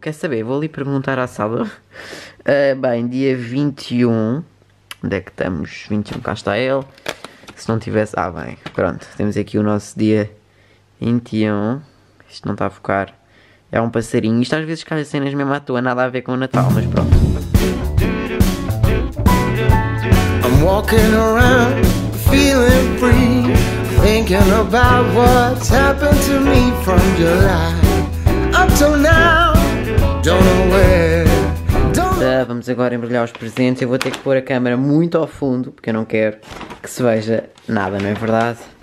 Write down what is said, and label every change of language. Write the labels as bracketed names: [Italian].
[Portuguese] Quer saber? Vou ali perguntar à sala. Bem, dia 21. Onde é que estamos? 21, cá está ele. Se não tivesse... Ah, bem, pronto. Temos aqui o nosso dia 21. Isto não está a focar. É um passarinho. Isto às vezes calha cenas mesmo à toa. Nada a ver com o Natal, mas pronto. [English] I'm walking around feeling free. Thinking about what's happened to me from July up till now. Don't know where. [Portuguese] Vamos agora embrulhar os presentes. Eu vou ter que pôr a câmera muito ao fundo, porque eu não quero que se veja nada, não é verdade?